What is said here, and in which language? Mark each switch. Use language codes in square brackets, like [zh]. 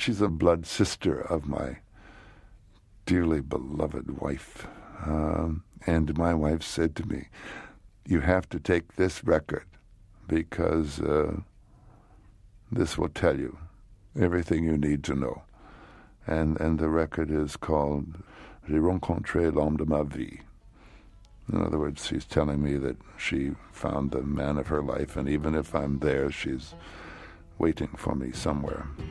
[en] She's a blood sister of my dearly beloved wife. And my wife said to me, you have to take this record because this will tell you everything you need to know. And the record is called [fr] J'ai rencontré l'homme de ma vie. [en] In other words, she's telling me that she found the man of her life, and even if I'm there, she's waiting for me somewhere.